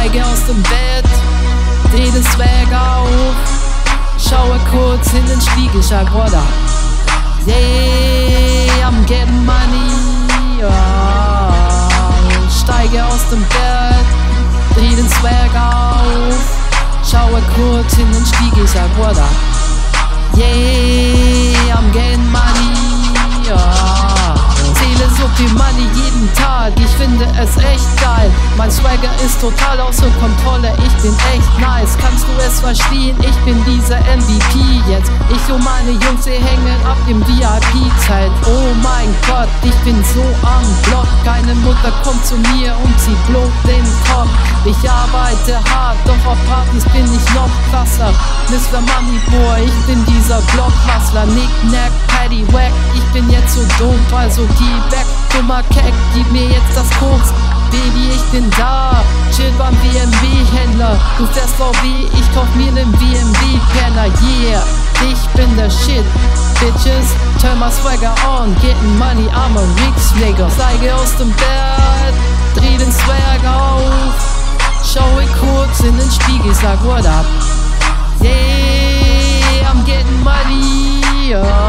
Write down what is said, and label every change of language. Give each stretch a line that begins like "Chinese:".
German: aus dem Bett, dreh den Swag auf, schaue kurz in den Spiegel, schau, Bruder.
English: Yeah, I'm getting money, yeah.
German: Steige aus dem Bett, dreh den Swag auf, schaue kurz in den Spiegel, schau, Bruder.
English: Yeah, I'm getting money, yeah.
German: Zähle so viel Money jeden Tag, ich finde es echt geil. Mein Swagger ist total außer Kontrolle, ich bin echt nice. Kannst du es verstehen, ich bin dieser MVP jetzt. Ich und meine Jungs, wir hängen ab im VIP-Zelt. Oh mein Gott, ich bin so am Block. Keine Mutter kommt zu mir und sie bloß den Kopf. Ich arbeite hart, doch auf Partys bin ich noch krasser. Mr. Money Boy, ich bin dieser Blockhustler.
English: Knick-Knack, Paddywhack,
German: ich bin jetzt so doof, also geh weg, dummer Keck, gib mir jetzt das Koks. Baby, ich bin da, chill beim BMW-Händler. Du fährst VW, ich kauf mir nen BMW-Penner. Yeah, ich bin der Shit, Bitches,
English: turn my Swagger on. Getting money, I'm a rich nigga.
German: Steige aus dem Bett, dreh den Swag auf, schau ich kurz in den Spiegel, sag what up.
English: Yeah, I'm getting money, oh.